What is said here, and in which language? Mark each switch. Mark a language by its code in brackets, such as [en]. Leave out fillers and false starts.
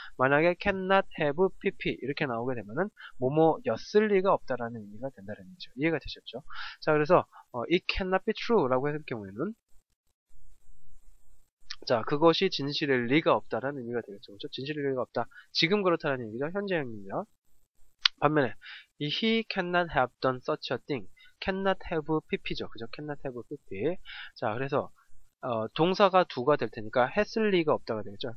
[ko] 만약에 [en] cannot have a PP [ko] 이렇게 나오게 되면은 뭐뭐였을 리가 없다라는 의미가 된다는 거죠. 이해가 되셨죠? 자, 그래서 [en] it cannot be true [ko] 라고 했을 경우에는 자, 그것이 진실일 리가 없다라는 의미가 되겠죠. 그렇죠? 진실일 리가 없다. 지금 그렇다는 얘기죠. 현재형입니다. 반면에, [en] he cannot have done such a thing. [ko] cannot have pp죠. 그죠? cannot have pp. 자, 그래서, 동사가 두가 될 테니까, 했을 리가 없다가 되겠죠.